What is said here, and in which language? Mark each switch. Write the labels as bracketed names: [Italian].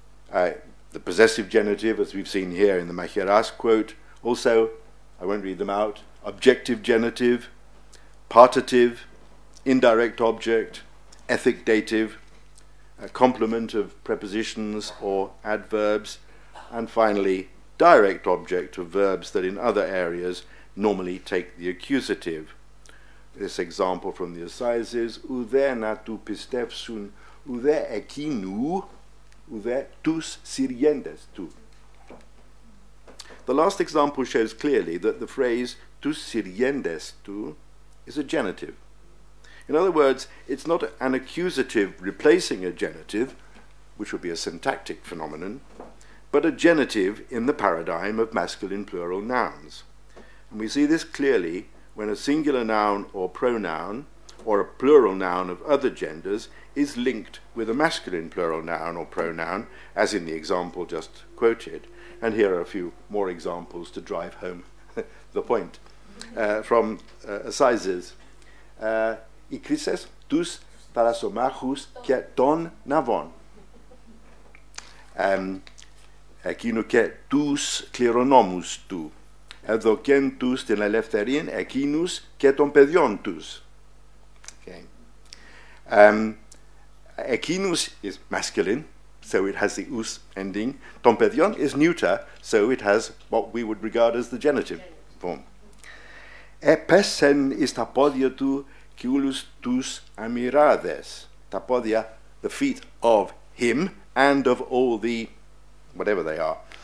[English] The possessive genitive, as we've seen here in the Majeras quote, also, I won't read them out, objective genitive, partitive, indirect object, ethic dative, a complement of prepositions or adverbs, and finally, direct object of verbs that in other areas normally take the accusative. This example from the assizes, [Greek] ουδε να του πιστεύσουν, ουδε εκείνου, ουδε τους συριέντες του. [English] The last example shows clearly that the phrase [Greek] τους συριέντες του [English] is a genitive. In other words, it's not an accusative replacing a genitive, which would be a syntactic phenomenon, but a genitive in the paradigm of masculine plural nouns. And we see this clearly when a singular noun or pronoun, or a plural noun of other genders, is linked with a masculine plural noun or pronoun, as in the example just quoted. And here are a few more examples to drive home the point. From assizes. [Greek] Ικρίσες τους θαλασσομάχους και των ναυών. Εκείνου και τους κληρονόμους του. Εδωκέν τους την ελευθερίν εκείνους και των παιδιών τους. [English] Εκείνους is masculine, so it has the ους ending. [Greek] Των παιδιών [English] is neuter, so it has what we would regard as the genitive form. [Greek] Επέσεν εις τα πόδια του κιούλους τους αμυράδες. Τα πόδια, [English] the feet of him and of all the, whatever they are.